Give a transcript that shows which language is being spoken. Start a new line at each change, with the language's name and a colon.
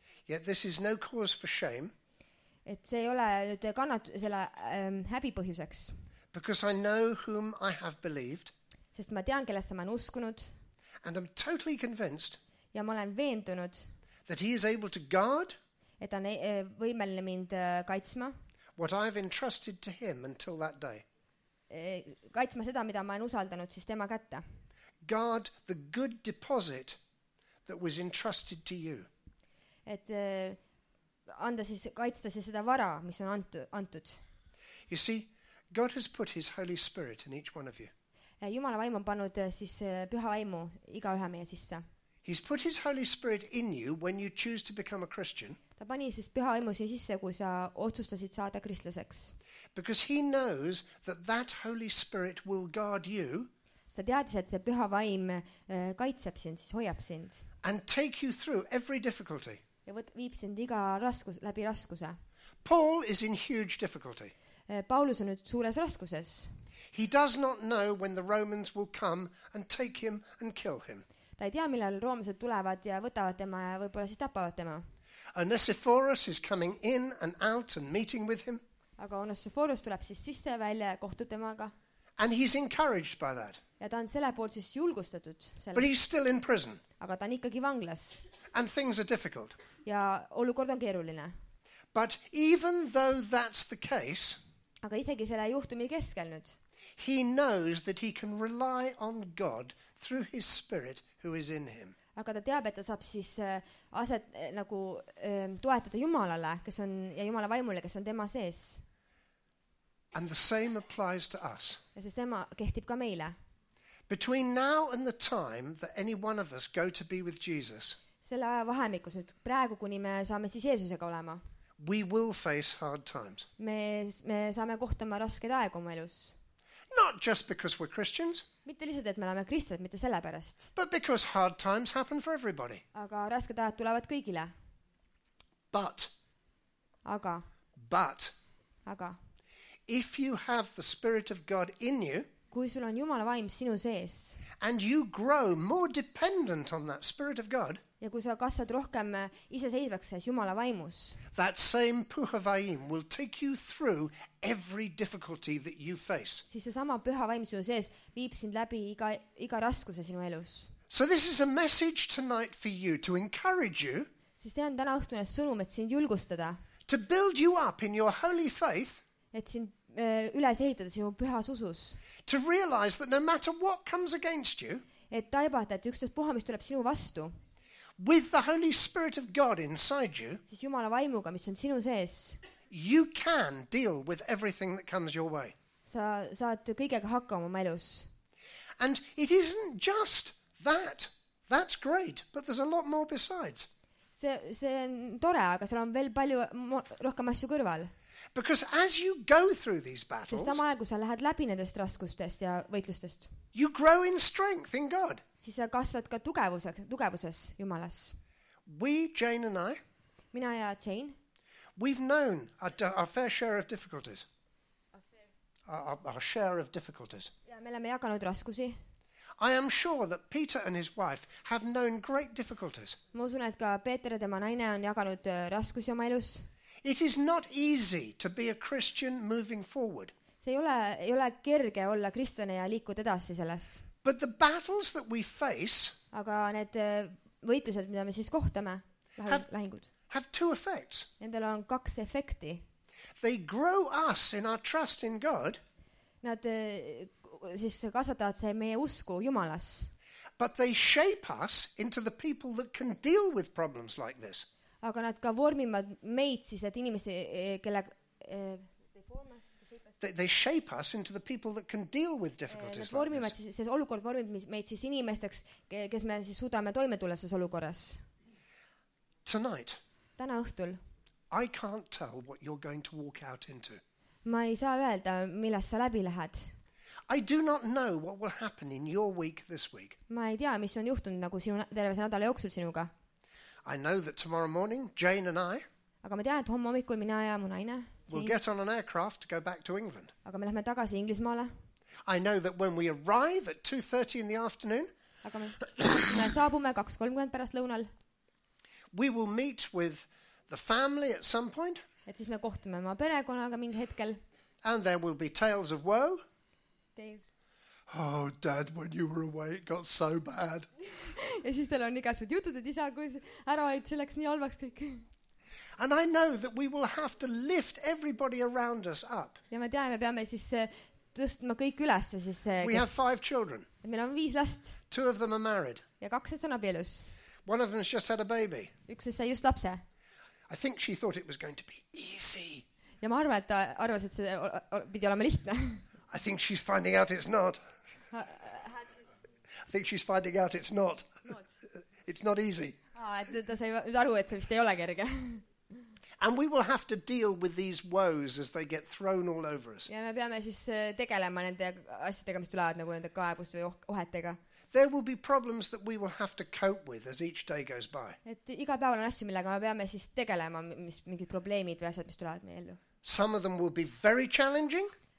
English: Yet this is no cause for shame.
Estonian: Et see ei ole nüüd kannat selle häbi põhjuseks.
English: Because I know whom I have believed.
Estonian: Sest ma tean, kellest ma olen uskunud.
English: And I'm totally convinced.
Estonian: Ja ma olen veendunud.
English: That he is able to guard
Estonian: et on võimeline mind kaitsma
English: what I have entrusted to him until that day
Estonian: kaitsma seda mida ma olen usaldanud siis tema kätte
English: guard the good deposit that was entrusted to you
Estonian: et anda siis kaitsta siis seda vara mis on antud
English: you see God has put his holy spirit in each one of you
Estonian: Jumala vaim on pannud siis püha vaimu iga ühe meie sisse
English: He's put his Holy Spirit in you when you choose to become a Christian.
Estonian: Ta pani siis püha vaimu siia sisse, kui sa otsustasid saada kristlaseks.
English: Because he knows that that Holy Spirit will guard you.
Estonian: Sa teadis, et see püha vaim kaitseb sind, siis hoiab sind.
English: And take you through every difficulty.
Estonian: Ja viib sind iga raskus, läbi raskuse.
English: Paul is in huge difficulty.
Estonian: Paulus on nüüd suures raskuses.
English: He does not know when the Romans will come and take him and kill him.
Estonian: Ta ei tea, millal roomased tulevad ja võtavad tema ja võib-olla siis tapavad tema.
English: Onesiphorus is coming in and out and meeting with him.
Estonian: Aga Onesiphorus tuleb siis sisse ja välja ja kohtub temaga.
English: And he's encouraged by that.
Estonian: Ja ta on selle poolt siis julgustatud. Selle.
English: But he's still in prison.
Estonian: Aga ta on ikkagi vanglas.
English: And things are difficult.
Estonian: Ja olukord on keeruline.
English: But even though that's the case,
Estonian: aga isegi selle juhtumi keskel nüüd,
English: he knows that he can rely on God through his spirit who is in him.
Estonian: Aga ta teab, et ta saab siis aset nagu toetada Jumalale, kes on ja Jumala vaimule, kes on tema sees.
English: And the same applies to us.
Estonian: Ja see sama kehtib ka meile.
English: Between now and the time that any one of us go to be with Jesus.
Estonian: Selle aja vahemikus nüüd praegu kuni me saame siis Jeesusega olema.
English: We will face hard times.
Estonian: Me saame kohtama rasked aegu oma elus.
English: Not just because we're Christians.
Estonian: Mitte lihtsalt, et me oleme kristlased, mitte sellepärast.
English: But because hard times happen for everybody.
Estonian: Aga rasked ajad tulevad kõigile.
English: But.
Estonian: Aga.
English: But.
Estonian: Aga.
English: If you have the Spirit of God in you,
Estonian: kui sul on Jumala vaim sinu sees,
English: and you grow more dependent on that Spirit of God,
Estonian: ja kui sa kasvad rohkem iseseisvaks sees Jumala vaimus,
English: that same Püha Vaim will take you through every difficulty that you face.
Estonian: Siis see sama Püha Vaim sinu sees viib sind läbi iga raskuse sinu elus.
English: So this is a message tonight for you to encourage you,
Estonian: siis see on täna õhtune sõnum, et sind julgustada,
English: to build you up in your holy faith,
Estonian: et sind üles ehitada sinu pühas usus,
English: to realize that no matter what comes against you,
Estonian: et taibata, et ükstas puha, mis tuleb sinu vastu,
English: with the Holy Spirit of God inside you,
Estonian: siis Jumala vaimuga, mis on sinu sees,
English: you can deal with everything that comes your way.
Estonian: Sa saad kõigega hakkama oma elus.
English: And it isn't just that. That's great, but there's a lot more besides.
Estonian: See on tore, aga seal on veel palju rohkem asju kõrval.
English: Because as you go through these battles,
Estonian: sama ajal, kui sa lähed läbi nendest raskustest ja võitlustest,
English: you grow in strength in God.
Estonian: Siis sa kasvad ka tugevuses Jumalas.
English: We, Jane and I,
Estonian: mina ja Jane,
English: we've known our fair share of difficulties. Our share of difficulties.
Estonian: Ja me oleme jaganud raskusi.
English: I am sure that Peter and his wife have known great difficulties.
Estonian: Ma usun, et ka Peter ja tema naine on jaganud raskusi oma elus.
English: It is not easy to be a Christian moving forward.
Estonian: See ei ole kerge olla kristlane ja liikuda edasi selles.
English: But the battles that we face,
Estonian: aga need võitlused, mida me siis kohtame, lahingud,
English: have two effects.
Estonian: Nendel on kaks efekti.
English: They grow us in our trust in God.
Estonian: Nad siis kasvatavad see meie usku Jumalas.
English: But they shape us into the people that can deal with problems like this.
Estonian: Aga nad ka vormivad meid siis, et inimesi, kelle...
English: They shape us into the people that can deal with difficulties like this.
Estonian: See olukord vormib meid siis inimesteks, kes me siis suudame toime tulla selles olukorras.
English: Tonight.
Estonian: Täna õhtul.
English: I can't tell what you're going to walk out into.
Estonian: Ma ei saa öelda, millest sa läbi lähed.
English: I do not know what will happen in your week this week.
Estonian: Ma ei tea, mis on juhtunud nagu sinu terve nädala jooksul sinuga.
English: I know that tomorrow morning, Jane and I,
Estonian: aga ma tean, et homme hommikul mina ja mu naine,
English: we'll get on an aircraft to go back to England.
Estonian: Aga me lähme tagasi Inglismaale.
English: I know that when we arrive at 2:30 in the afternoon,
Estonian: aga me saabume 2:30 pärast lõunal,
English: we will meet with the family at some point.
Estonian: Et siis me kohtume oma perekonnaga mingi hetkel.
English: And there will be tales of woe. Tales. Oh, Dad, when you were away, it got so bad.
Estonian: Ja siis tal on igasugused jutud, et isa, kui ära olid, see läks nii halvaks kõik.
English: And I know that we will have to lift everybody around us up.
Estonian: Ja me teame, peame siis tõstma kõik üles.
English: We have five children.
Estonian: Meil on viis last.
English: Two of them are married.
Estonian: Ja kaks on abielus.
English: One of them has just had a baby.
Estonian: Üks sai just lapse.
English: I think she thought it was going to be easy.
Estonian: Ja ma arvan, et ta arvas, et see pidi olema lihtne.
English: I think she's finding out it's not. I think she's finding out it's not. It's not easy.
Estonian: Ta sai nüüd aru, et see vist ei ole kerge.
English: And we will have to deal with these woes as they get thrown all over us.
Estonian: Ja me peame siis tegelema nende asjadega, mis tulevad nagu nende kaebust või ohetega.
English: There will be problems that we will have to cope with as each day goes by.
Estonian: Et iga päev on asju, millega me peame siis tegelema, mis mingid probleemid või asjad, mis tulevad meie ellu.
English: Some of them will be very challenging.